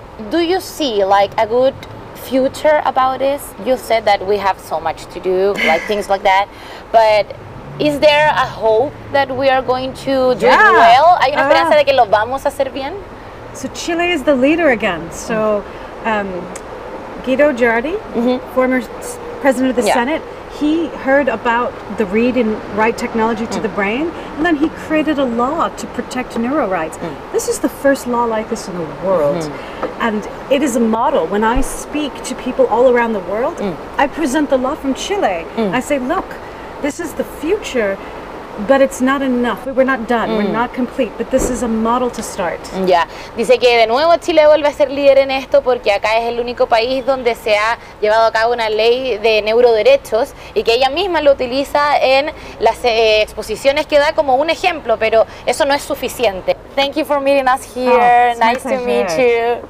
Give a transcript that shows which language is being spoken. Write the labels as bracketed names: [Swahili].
[English] Do you see like a good future about this? You said that we have so much to do, like things like that, but is there a hope that we are going to do it well? [Spanish] ¿Hay una esperanza de que lo vamos a hacer bien? [English] So Chile is the leader again, so Guido Girardi, former president of the Senate, he heard about the read and write technology to the brain, and then he created a law to protect neuro rights. This is the first law like this in the world, and it is a model. When I speak to people all around the world, I present the law from Chile. I say, look, this is the future. But it's not enough. We're not done. We're not complete. But this is a model to start. [Spanish] Dice que de nuevo Chile vuelve a ser líder en esto porque acá es el único país donde se ha llevado a cabo una ley de neuroderechos y que ella misma lo utiliza en las exposiciones que da como un ejemplo, pero eso no es suficiente. [English] Thank you for meeting us here. Oh, nice to meet you.